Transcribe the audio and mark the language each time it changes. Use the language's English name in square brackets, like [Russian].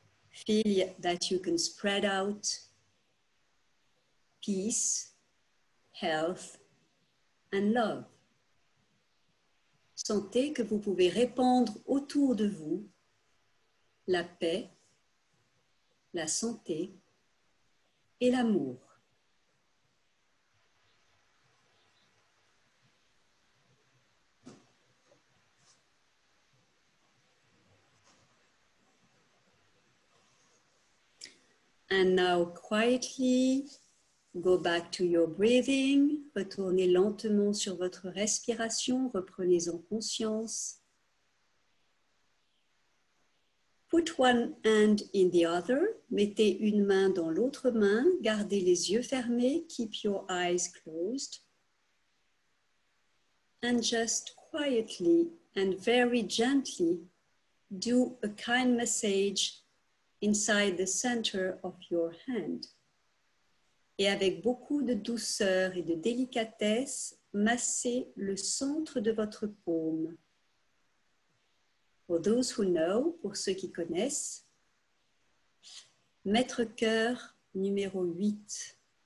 [English] Feel that you can spread out peace, health, and love. [French] Sentez que vous pouvez répandre autour de vous la paix, la santé et l'amour. [English] And now quietly, go back to your breathing. [French] Retournez lentement sur votre respiration. Reprenez-en conscience. [English] Put one hand in the other. [French] Mettez une main dans l'autre main. Gardez les yeux fermés. [English] Keep your eyes closed. And just quietly and very gently do a kind massage inside the center of your hand. [French] Et avec beaucoup de douceur et de délicatesse, massez le centre de votre paume. [English] For those who know, [French] pour ceux qui connaissent, maître cœur numéro 8.